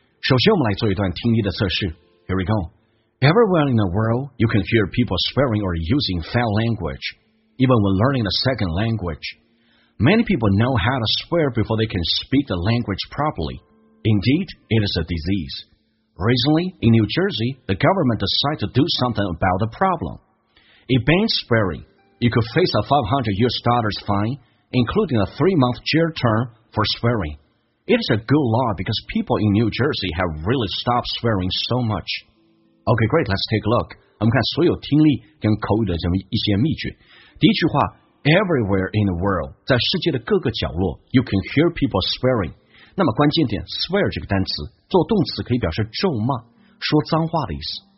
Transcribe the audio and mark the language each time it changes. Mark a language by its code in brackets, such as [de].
[zh] 首先我们来做一段听力的测试。 [en] Here we go. Everywhere in the world, you can hear people swearing or using foul language, even when learning a second language. Many people know how to swear before they can speak the language properly. Indeed, it is a disease. Recently, in New Jersey, the government decided to do something about the problem. It bans swearing. You could face a $500 fine,including a 3-month jail term for swearing. It is a good law because people in New Jersey have really stopped swearing so much. Okay, great, let's take a look. [zh] 我们看所有听力跟口语的这么一些秘诀。第一句话 , [en] everywhere in the world, [zh] 在世界的各个角落 , [en] you can hear people swearing. [zh] 那么关键点 ,swear 这个单词做动词可以表示咒骂说脏话的意思。